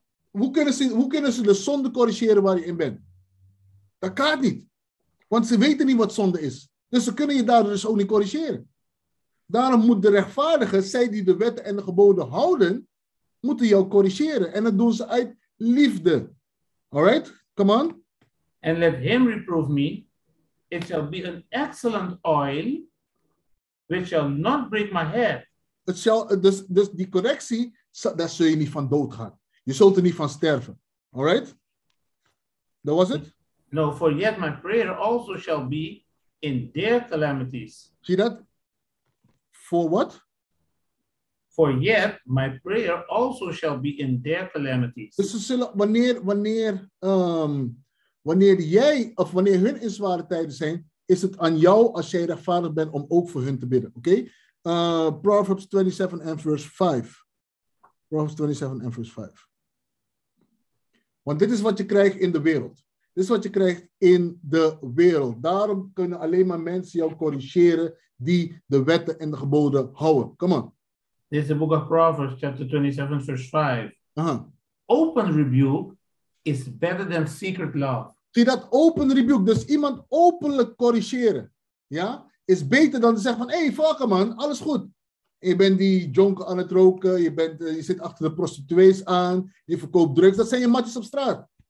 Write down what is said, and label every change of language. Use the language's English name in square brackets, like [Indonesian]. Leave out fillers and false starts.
[Dutch] Hoe kunnen ze de zonde corrigeren waar je in bent? Dat gaat niet. Want ze weten niet wat zonde is. Dus ze kunnen je daardoor dus ook niet corrigeren. Daarom moet de rechtvaardige, zij die de wetten en de geboden houden, moeten jou corrigeren. En dat doen ze uit liefde. [English] All right? Come on. And let him reprove me. It shall be an excellent oil, which shall not break my head. [Dutch] Dus die correctie, daar zul je niet van doodgaan. Je zult er niet van sterven. [English] All right? That was it? No, for yet my prayer also shall be in their calamities. See that? For what? For yet my prayer also shall be in their calamities. [Dutch] Dus ze zullen, wanneer jij, of wanneer hun in zware tijden zijn, is het aan jou als jij rechtvaardig bent om ook voor hun te bidden. Oké? Okay? Proverbs 27 en verse 5. Proverbs 27 en verse 5. Want dit is wat je krijgt in de wereld. Dit is wat je krijgt in de wereld. Daarom kunnen alleen maar mensen jou corrigeren die de wetten en de geboden houden. [English] Come on. This is the book of Proverbs, chapter 27, verse 5. Uh-huh. Open rebuke is better than secret love. [Dutch] Zie dat, [English] open rebuke, [Dutch] dus iemand openlijk corrigeren, ja, is beter dan te zeggen van, hey, fuck man, alles goed. Je bent die jonker aan het roken, je zit achter de prostituees aan, je verkoopt drugs, dat zijn je matjes op straat.